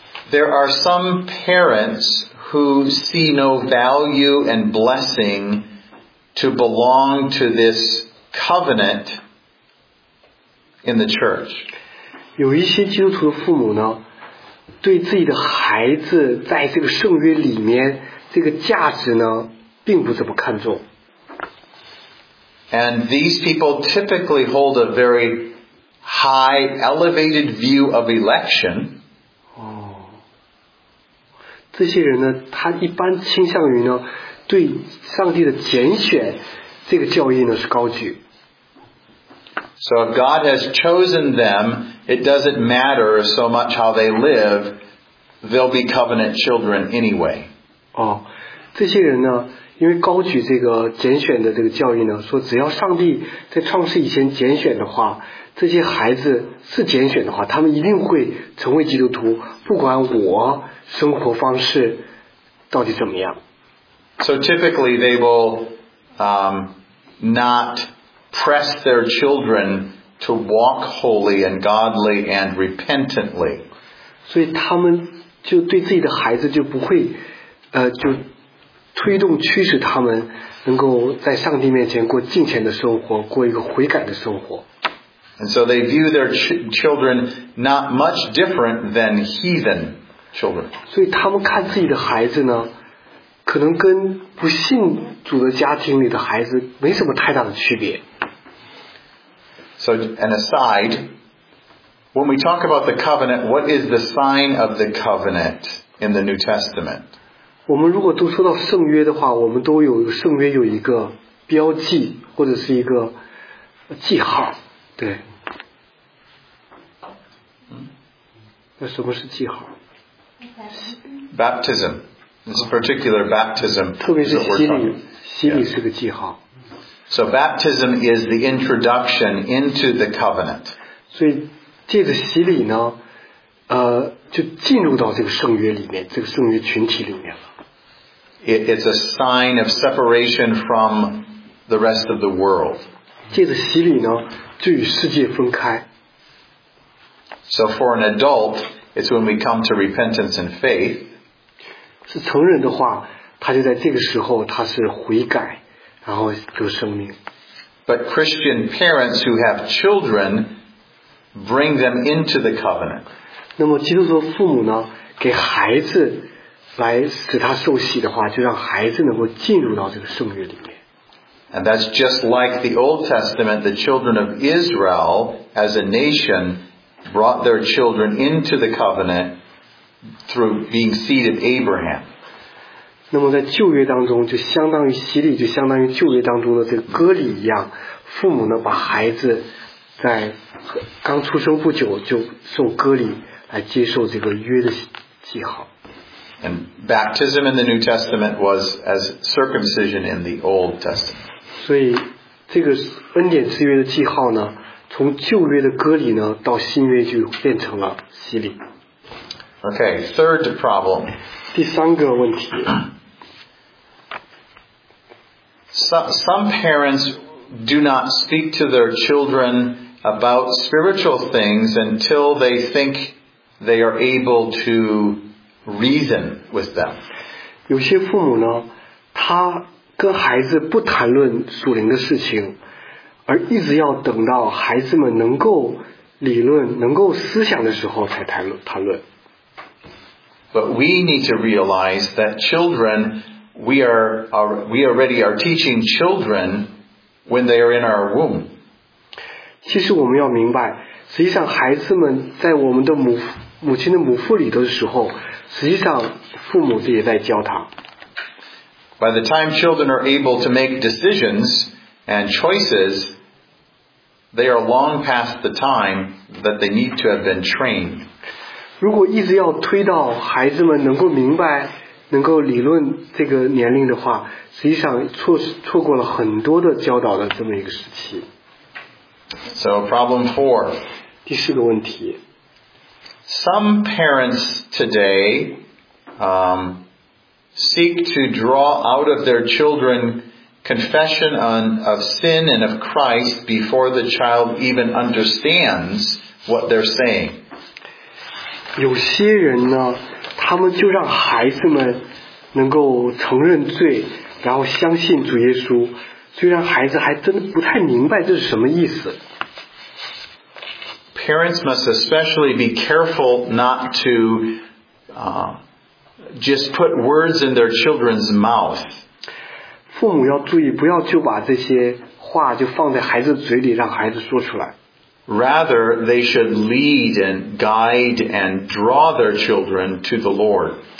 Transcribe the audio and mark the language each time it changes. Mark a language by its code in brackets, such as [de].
[en] There are some parents who see no value and blessing to belong to this covenant in the church. [zh] 有一些基督徒的父母呢，对自己的孩子在这个圣约里面这个价值呢。并不怎么看重。 [en] And these people typically hold a very high, elevated view of election. [zh] 这些人呢，他一般倾向于呢，对上帝的拣选这个教义呢是高举。 [en] So if God has chosen them, it doesn't matter so much how they live, they'll be covenant children anyway. [zh] 这些人呢因为高举这个拣选的这个教义呢，说只要上帝在创世以前拣选的话，这些孩子是拣选的话，他们一定会成为基督徒，不管我生活方式到底怎么样。 [en] So typically they will not press their children to walk holy and godly and repentantly. [zh] 所以他们就对自己的孩子就不会就。推动驱使他们能够在上帝面前过敬虔的生活，过一个悔改的生活。 [en] And so they view their children not much different than heathen children. [zh] 所以他们看自己的孩子呢，可能跟不信主的家庭里的孩子没什么太大的区别。 [en] So an aside, when we talk about the covenant, what is the sign of the covenant in the New Testament? [zh] 我们如果都说到圣约的话，我们都有圣约有一个标记或者是一个记号，对。那什么是记号 [en] ？Baptism, this particular baptism. [zh] 特别是洗礼，洗礼是个记号。 [en] So baptism is the introduction into the covenant. [zh] 所以借着洗礼呢，就进入到这个圣约里面，这个圣约群体里面了。 [en] It's a sign of separation from the rest of the world. [zh] 借着洗礼呢，就与世界分开。 [en] So for an adult, it's when we come to repentance and faith. [zh] 是成人的话，他就在这个时候，他是悔改，然后就生命。 [en] But Christian parents who have children bring them into the covenant. [zh] 那么基督徒父母呢，给孩子来使他受洗的话，就让孩子能够进入到这个圣约里面。 [en] And that's just like the Old Testament, the children of Israel as a nation brought their children into the covenant through being seed of Abraham. [zh] 那么在旧约当中，就相当于洗礼，就相当于旧约当中的这个割礼一样，父母呢把孩子在刚出生不久就受割礼来接受这个约的记号。 [en] And baptism in the New Testament was as circumcision in the Old Testament. [zh] 所以这个恩典之约的记号呢，从旧约的割礼呢，到新约就变成了洗礼。 [en] Okay, third problem. [zh] 第三个问题。 [en] Some parents do not speak to their children about spiritual things until they think they are able to reason with them. [zh] 有些父母呢，他跟孩子不谈论属灵的事情，而一直要等到孩子们能够理论、能够思想的时候才谈论。 [en] But we need to realize that children, we already are teaching children when they are in our womb. [zh] 其实我们要明白，实际上孩子们在我们的母亲的母腹里的时候，实际上父母也在教他。 [en] By the time children are able to make decisions and choices, they are long past the time that they need to have been trained. [zh] 如果一直要推到孩子们能够明白、能够理论这个年龄的话，实际上错过了很多的教导的这么一个时期。 [en] So problem four. [zh] 第四个问题。 [en] Some parents today, seek to draw out of their children confession of sin and of Christ before the child even understands what they're saying. [zh] 有些人呢，他们就让孩子们能够承认罪，然后相信主耶稣，虽然孩子还真的不太明白这是什么意思。 [en] Parents must especially be careful not to just put words in their children's mouth. [zh] 父母要注意，不要就把这些话就放在孩子嘴里，让孩子说出来。 [en] Rather, they should lead and guide and draw their children to the Lord.